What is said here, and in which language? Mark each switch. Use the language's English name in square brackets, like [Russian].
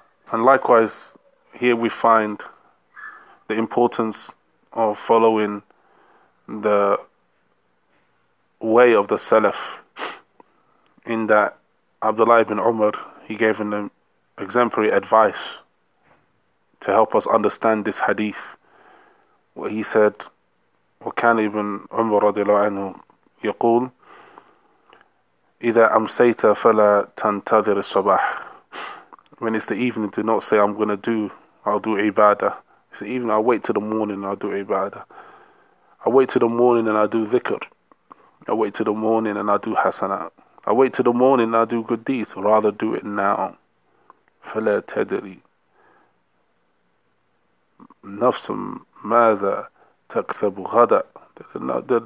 [English] And likewise, here we find the importance of following the way of the Salaf, in that Abdullah ibn Umar, he gave them exemplary advice to help us understand this hadith. What he said, [Arabic] وكان ابن عمر رضي الله عنه يقول إذا أمسيت فلا تنتظر الصباح [English] when it's the evening, do not say, I'll do ibadah. It's the evening, I'll wait till the morning and I'll do ibadah. I wait till the morning and I do dhikr. I wait till the morning and I do hasanat. I wait till the morning and I do good deeds. Rather do it now. [Arabic] فَلَا تَدْرِي نَفْسٌ مَاذَا تَكْسَبُ غَدَى.